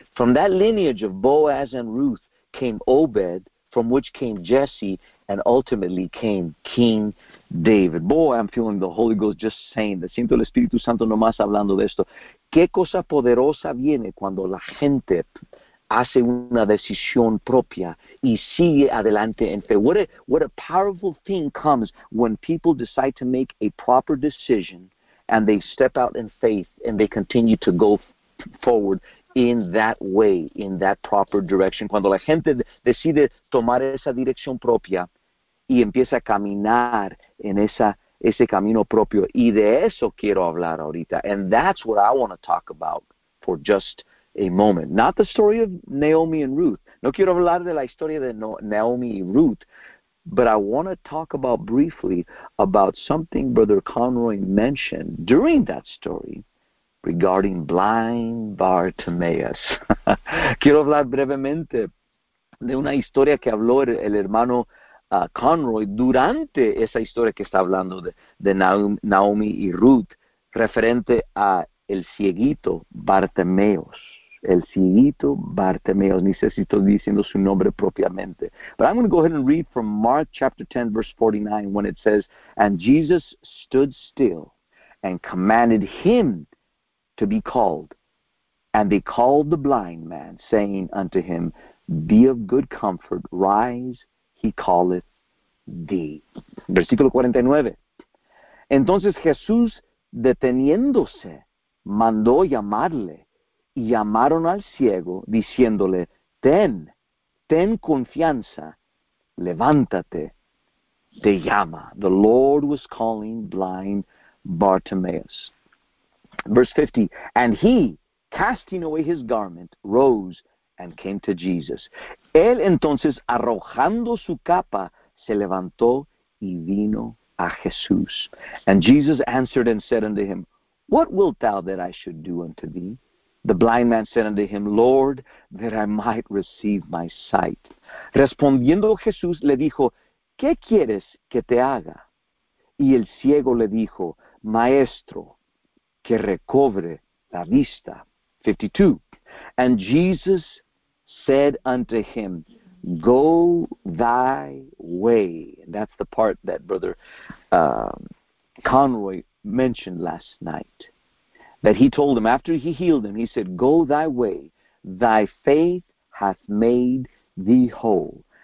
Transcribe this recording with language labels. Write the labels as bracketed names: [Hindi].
[English] From that lineage of Boaz and Ruth came Obed, from which came Jesse, and ultimately came King David. Boy, I'm feeling the Holy Ghost just saying that. [Spanish] Siento el Espíritu Santo nomás hablando de esto. ¿Qué cosa poderosa viene cuando la gente hace una decisión propia y sigue adelante en fe? [English] What a powerful thing comes when people decide to make a proper decision and they step out in faith and they continue to go forward in that way, in that proper direction. [Spanish] Cuando la gente decide tomar esa dirección propia y empieza a caminar en ese camino propio. Y de eso quiero hablar ahorita. [English] And that's what I want to talk about for just a moment. Not the story of Naomi and Ruth. [Spanish] No quiero hablar de la historia de Naomi y Ruth. [English] But I want to talk about briefly about something Brother Conroy mentioned during that story regarding blind Bartimaeus. [Spanish] Quiero hablar brevemente de una historia que habló el hermano Conroy durante esa historia que está hablando de Naomi y Ruth, referente a el cieguito Bartimeos. El cieguito Bartimeos. Ni sé si estoy diciendo su nombre propiamente. [English] But I'm going to go ahead and read from Mark chapter 10, verse 49, when it says, "And Jesus stood still and commanded him to be called. And they called the blind man, saying unto him, Be of good comfort, rise, he calleth thee." [Spanish] Versículo 49. Entonces Jesús, deteniéndose, mandó llamarle, y llamaron al ciego, diciéndole, "Ten, ten confianza, levántate, te llama." [English] The Lord was calling blind Bartimaeus. Verse 50. "And he, casting away his garment, rose and came to Jesus. [Spanish] Él entonces, arrojando su capa, se levantó y vino a Jesús. [English] And Jesus answered and said unto him, What wilt thou that I should do unto thee? The blind man said unto him, Lord, that I might receive my sight. [Spanish] Respondiendo Jesús, le dijo, ¿Qué quieres que te haga? Y el ciego le dijo, Maestro, que recobre la vista. 52. [English] And Jesus said unto him, Go thy way. And that's the part that Brother Conroy mentioned last night. That he told him, after he healed him, he said, Go thy way. Thy faith hath made thee whole.